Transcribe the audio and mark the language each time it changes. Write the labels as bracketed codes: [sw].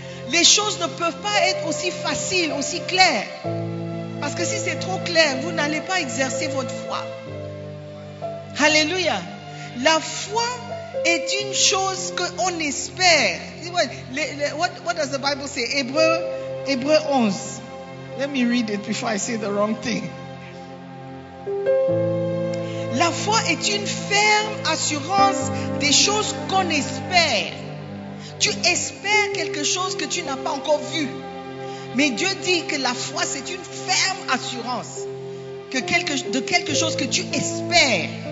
[fr] Les choses ne peuvent pas être aussi faciles, aussi claires. Parce que si c'est trop clair, vous n'allez pas exercer votre foi. Alléluia. La foi est une chose qu'on espère. [en] What does the Bible say? Hébreu 11. Let me read it before I say the wrong thing. [fr] La foi est une ferme assurance des choses qu'on espère. Tu espères quelque chose que tu n'as pas encore vu. Mais Dieu dit que la foi, c'est une ferme assurance de quelque chose que tu espères.